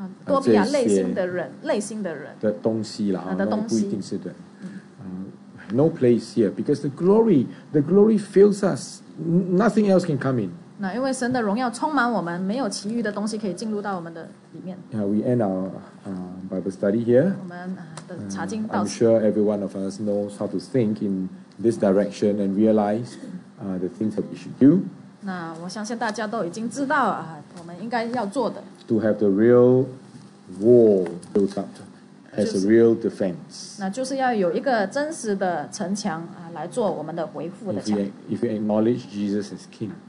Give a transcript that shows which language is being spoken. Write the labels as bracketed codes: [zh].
[zh] 多比亚类型的人类型的人的东西啦，的东西不一定是人。 [en] No place here because the glory fills us. Nothing else can come in. [zh] 那因为神的荣耀充满我们，没有其余的东西可以进入到我们的里面。 [en] Yeah, we end our Bible study here. [zh] 我们的查经到此。 [en] I'm sure every one of us knows how to think in this direction and realize the things that we should do. [zh] 那我相信大家都已经知道啊，我们应该要做的。 [en] To have the real wall built up. As a real defense. [zh] 那就是要有一个真实的城墙啊，来做我们的维护的墙。 [en] If you acknowledge Jesus as King.